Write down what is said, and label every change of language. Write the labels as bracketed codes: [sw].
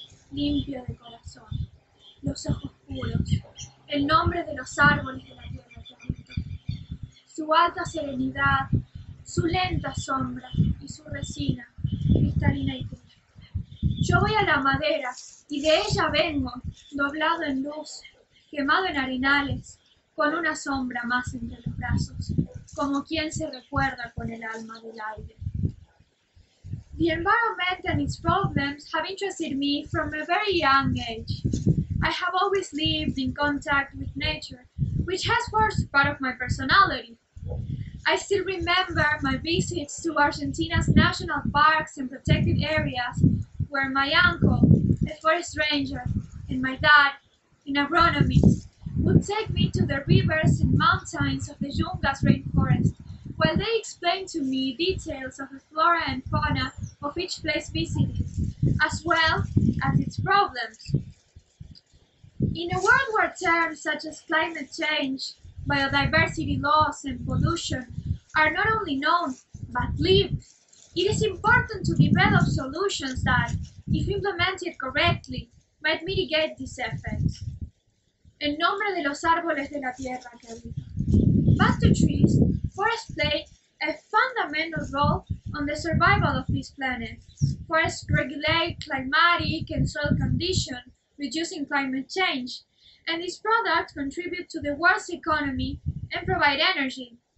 [es] limpio de corazón, los ojos puros, el nombre de los árboles de la tierra pronto, su alta serenidad, su lenta sombra y su resina, cristalina y pura. Yo voy a la madera y de ella vengo, doblado en luz, quemado en arenales, con una sombra más entre los brazos, como quien se recuerda con el alma del aire. [en] The environment and its problems have interested me from a very young age. I have always lived in contact with nature, which has forged part of my personality. I still remember my visits to Argentina's national parks and protected areas, where my uncle, a forest ranger, and my dad, an agronomist, would take me to the rivers and mountains of the Yungas rainforest, while they explained to me details of the flora and fauna of each place visited, as well as its problems. In a world where terms such as climate change, biodiversity loss, and pollution are not only known, but lived, it is important to develop solutions that, if implemented correctly, might mitigate these effects. [es] En nombre de los árboles de la tierra que habito. [en] But to trees, forests play a fundamental role on the survival of this planet. Forests regulate climatic and soil condition, reducing climate change, and these products contribute to the world's economy and provide energy.